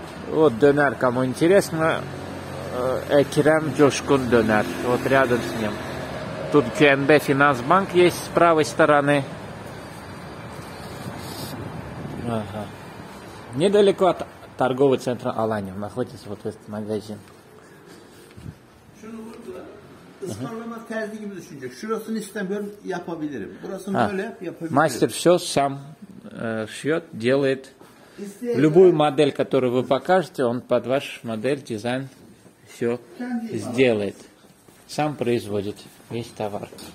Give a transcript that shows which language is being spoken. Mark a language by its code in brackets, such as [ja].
[ru] Вот Дönер, кому интересно. Экрем Джошкун Дönер. Вот рядом с ним. Тут QNB Финансбанк есть с правой стороны. Ага. Недалеко от торгового центра Алани находится вот этот магазин. [tr] Şunu burada ısmarlama terzi gibi düşünecek. Şurasını istemiyorum, yapabilirim. Burasını ha. Böyle yapabilirim. [ru] Мастер все сам шьет, делает. [tr] İsteyelim. [ru] Любую модель, которую вы покажете, он под ваш модель, дизайн все [tr] kendi [ru] сделает. [tr] Ama. [ru] Сам производит весь товар.